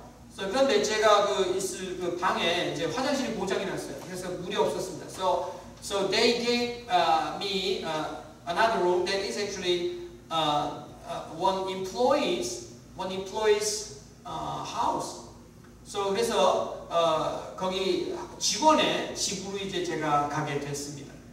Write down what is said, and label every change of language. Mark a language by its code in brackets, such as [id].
[ko] So 그런데 제가 그 방에 이제 화장실이 고장이 났어요. 그래서 물이 없었습니다. [en] So they gave me another room that is actually one employee's house. [ko] So 그래서 거기 직원의 집으로 이제 제가 가게 됐습니다.